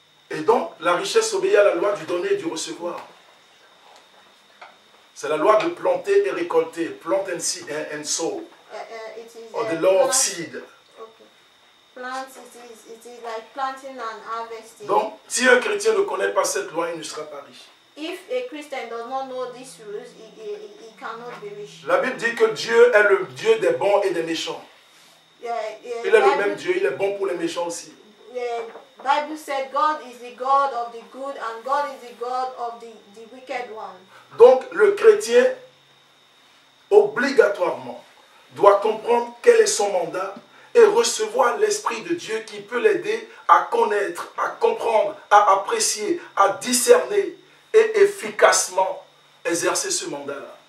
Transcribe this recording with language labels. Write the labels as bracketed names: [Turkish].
[French] Et donc la richesse obéit à la loi du donner et du recevoir. C'est la loi de planter et récolter, [English] plant and seed and sow. The law of seed. Okay. It is like planting and harvesting. [French] Donc, si un chrétien ne connaît pas cette loi, il ne sera pas riche. [English] If a Christian does not know these rules, he cannot be rich. [French] La Bible dit que Dieu est le Dieu des bons et des méchants. [English] Yeah, [French] il est le même Dieu, il est bon pour les méchants aussi. [English] Bible said God is the God of the good and God is the God of the wicked one. [French] Donc, le chrétien, obligatoirement, doit comprendre quel est son mandat et recevoir l'Esprit de Dieu qui peut l'aider à connaître, à comprendre, à apprécier, à discerner et efficacement exercer ce mandat-là.